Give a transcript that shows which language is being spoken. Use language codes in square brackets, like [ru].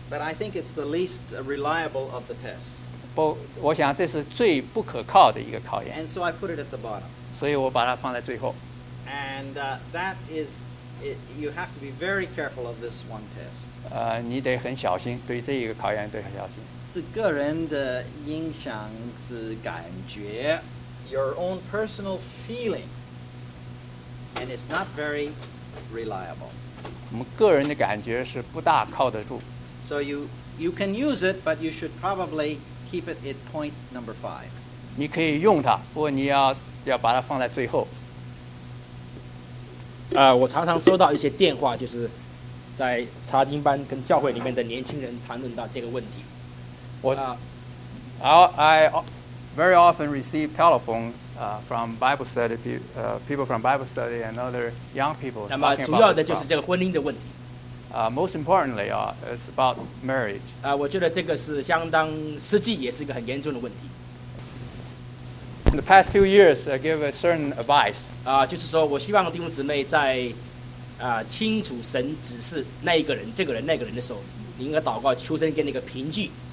[en] But I think it's the least reliable of the tests. [zh] 不，我想这是最不可靠的一个考验。 [en] And so I put it at the bottom. [zh] 所以我把它放在最后。 [en] And that is, you have to be very careful of this one test. [zh] 你得很小心，对这一个考验得很小心。是个人的影响，是感觉 [en] ，your own personal feeling, and it's not very reliable. [zh] 我们个人的感觉是不大靠得住。 [en] So you can use it, but you should probably keep it at point number five. [zh] 你可以用它，不过你要把它放在最后。我常常收到一些电话，就是在查经班跟教会里面的年轻人谈论到这个问题。 [en] I very often receive telephone from Bible study people from Bible study and other young people. [zh] 那么主要的就是这个婚姻的问题。 [en] Most importantly, it's about marriage. [zh] 我觉得这个是相当实际，也是一个很严重的问题。 [en] In the past few years, I give a certain advice. [zh] 就是说我希望弟兄姊妹在清楚神指示那一个人、这个人、那个人的时候，你应该祷告求神给你一个凭据。